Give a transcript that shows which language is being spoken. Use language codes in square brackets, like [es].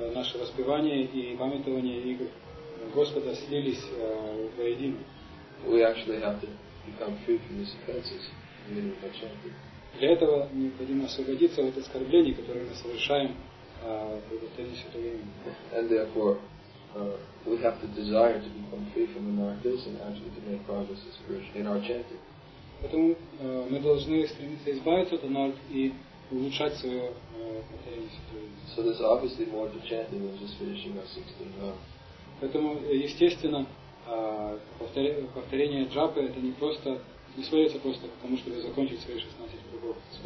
[ru] наше воспевание и памятование игр Господа слились воедино. [en] We actually have to become free from these offenses, meaning by chanting. [ru] Для этого необходимо освободиться от оскорблений, которые мы совершаем в повторении святого имени. [en] And therefore, we have to desire to become free from anarchism and actually to make progress in spiritual in our chanting. [ru] Поэтому мы должны стремиться избавиться от анарх и улучшать свое повторение святого имени. [en] So there's obviously more to chanting than just finishing our 16 rounds. [ru] Поэтому, естественно, повторение джапы это не просто не сводится просто к тому, чтобы закончить свои 16 кругов.